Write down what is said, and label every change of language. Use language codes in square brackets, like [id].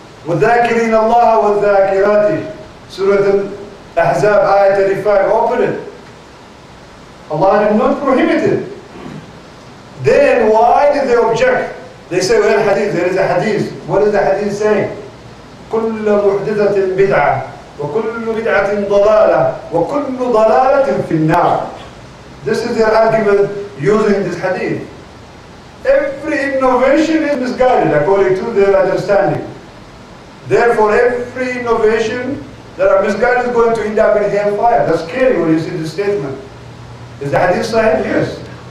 [ar] وذاكرين الله وذاكراتي. [en] Surah Al-Ahzab, Ayah 35, open it. Allah did not prohibit it. Then why did they object? They say, well, hadith, there is a hadith. What is the hadith saying? [ar] كل محدثة بدعة وكل بدعة ضلالة وكل ضلالة في النار. [en] This is their argument using this hadith. Every innovation is misguided according to their understanding. Therefore, every innovation that are misguided is going to end up in hellfire. That's scary when you see this statement. Is the hadith sahih? Yes.